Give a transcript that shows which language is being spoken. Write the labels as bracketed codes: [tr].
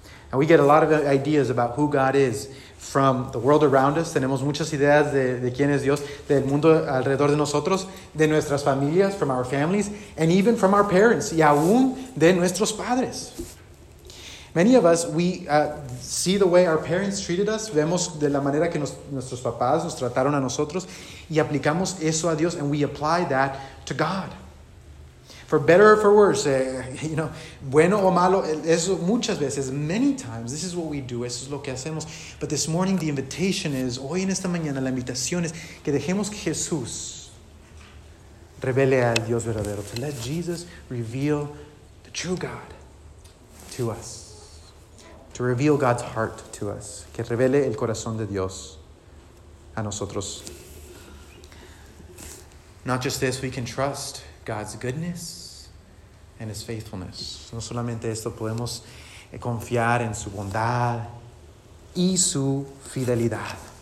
[en] And we get a lot of ideas about who God is from the world around us. [es] Tenemos muchas ideas de quién es Dios, del mundo alrededor de nosotros, de nuestras familias, [en] from our families, and even from our parents, [es] y aún de nuestros padres. [en] Many of us, we see the way our parents treated us. [es] Vemos de la manera que nuestros papás nos trataron a nosotros. Y aplicamos eso a Dios. [en] And we apply that to God. For better or for worse, you know, [es] bueno o malo, eso muchas veces, [en] many times, this is what we do. [es] Eso es lo que hacemos. [en] But this morning, the invitation is, [es] hoy en esta mañana, la invitación es que dejemos que Jesús revele al Dios verdadero. [en] To let Jesus reveal the true God to us. To reveal God's heart to us. [es] Que revele el corazón de Dios a nosotros. [en] Not just this, we can trust God's goodness and His faithfulness. [es] No solamente esto, podemos confiar en su bondad y su fidelidad.